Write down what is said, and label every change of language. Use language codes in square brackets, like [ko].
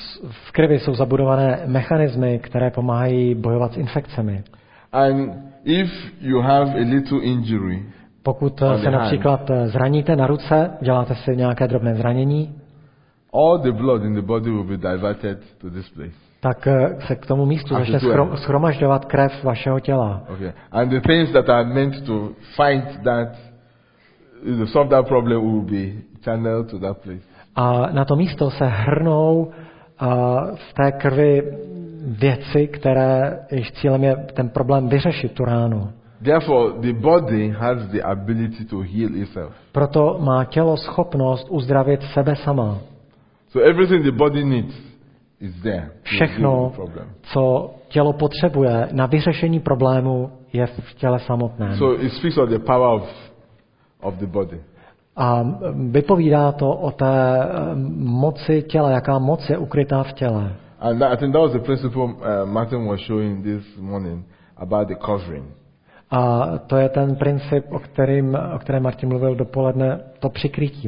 [cs] V krvi jsou zabudované mechanismy, které pomáhají bojovat s infekcemi. [en] And if you have a little injury, [cs] pokud se například zraníte na ruce, děláte si nějaké drobné zranění, [en] all the blood in the body will be diverted to this place. [cs] Tak se k tomu místu začne schromažďovat krev vašeho těla. Okay. [en] And the things that are meant to fight that to solve that problem will be channeled to that place. [cs] A na to místo se hrnou v té krvi věci, které jejich cílem je ten problém vyřešit, tu ránu. [en] Therefore, the body has the ability to heal itself. [cs] Proto má tělo schopnost uzdravit sebe sama. [en] So everything the body needs is there. [cs] Všechno, co tělo potřebuje na vyřešení problému, je v těle samotném. [en] So it speaks of the power of the body. [cs] A vypovídá to o té moci těla, jaká moc je ukrytá v těle. [en] And I think that was the principle Martin was showing this morning about the covering. [cs] A to je ten princip, o kterém Martin mluvil dopoledne, to přikrytí.